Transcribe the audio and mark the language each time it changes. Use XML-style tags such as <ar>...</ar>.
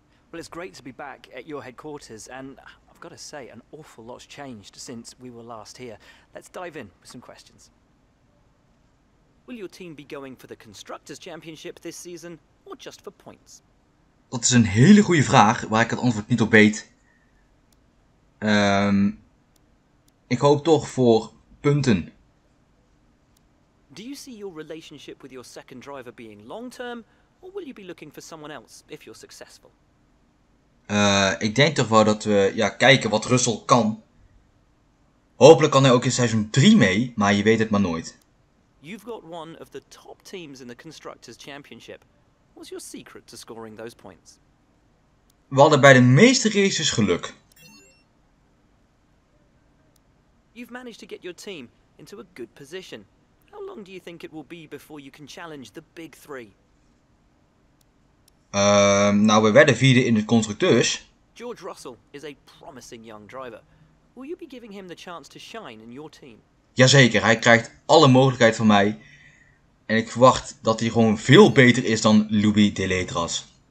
<en>Well, it's great to be back at your headquarters and I've got to say, an awful lot's changed since we were last here. Let's dive in with some questions. Will your team be going for the Constructors' Championship this season, or just for points?</en> <nl>Dat is een hele goede vraag, waar ik het antwoord niet op weet. Ik hoop toch voor punten.</nl> <en>Do you see your relationship with your second driver being long-term, or will you be looking for someone else if you're successful?</en> <nl>Ik denk toch wel dat we kijken wat Russell kan. Hopelijk kan hij ook in seizoen 3 mee, maar je weet het maar nooit.</nl> <en>You've got one of the top teams in the Constructors' Championship. What's your secret to scoring those points?</en> <nl>We hadden bij de meeste races geluk.</nl> <en>You've managed to get your team into a good position. How long do you think it will be before you can challenge the big three?</en> <nl>We werden vierde in de constructeurs.</nl> <en>George Russell is a promising young driver. Will you be giving him the chance to shine in your team?</en> <nl>Jazeker, hij krijgt alle mogelijkheid van mij. En ik verwacht dat hij gewoon veel beter is dan Louis de Letras.</nl>